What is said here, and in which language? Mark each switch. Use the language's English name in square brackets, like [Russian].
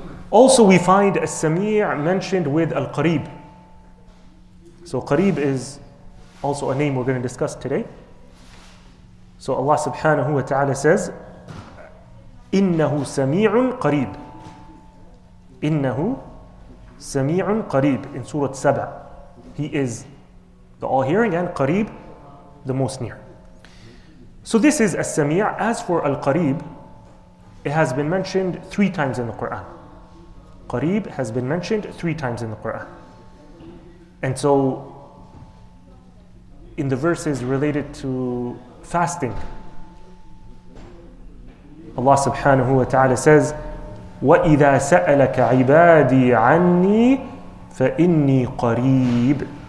[English] Also we find As-Sami' mentioned with Al-Qarib. So Qarib is also a name we're going to discuss today. So Allah subhanahu wa ta'ala says, [Arabic] إِنَّهُ سَمِيعٌ قَرِيبٌ. إِنَّهُ سَمِيعٌ قَرِيبٌ [English] in Surah 7. He is the all-hearing and Qarib, the most near. So this is As-Sami'. As for Al-Qarib, it has been mentioned three times in the Quran. Qarib has been mentioned three times in the Quran. And so in the verses related to fasting, Allah subhanahu wa ta'ala says, [Arabic] وَإِذَا سَأَلَكَ عِبَادِي عَنِّي فَإِنِّي قَرِيبٌ.